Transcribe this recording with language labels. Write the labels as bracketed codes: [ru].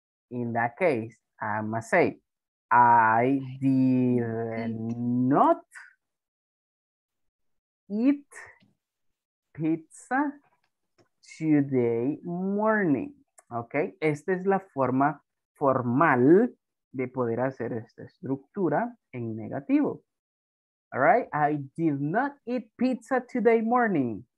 [en] In that case, I must say, I did not eat pizza today morning. [es] Ok, esta es la forma formal de poder hacer esta estructura en negativo. [en] All right, I did not eat pizza today morning.